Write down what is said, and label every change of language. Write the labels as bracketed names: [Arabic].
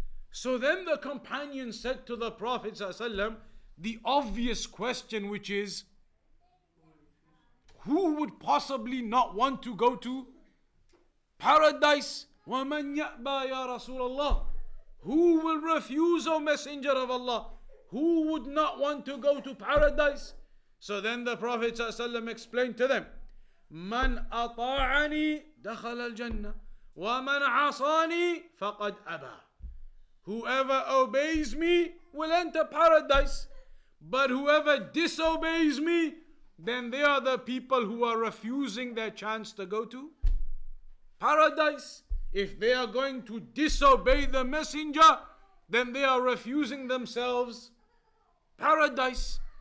[English] So then the companion said to the Prophet ﷺ the obvious question, which is, who would possibly not want to go to paradise? [Arabic] وَمَنْ يَأْبَى يَا رَسُولَ اللَّهِ. [English] Who will refuse, O Messenger of Allah? Who would not want to go to paradise? So then the Prophet ﷺ explained to them, [Arabic] مَنْ أَطَاعَنِي دَخَلَ الْجَنَّةِ وَمَنْ عَصَانِي فَقَدْ أَبَى. [English] Whoever obeys me will enter paradise, but whoever disobeys me, then they are the people who are refusing their chance to go to paradise. If they are going to disobey the messenger, then they are refusing themselves paradise.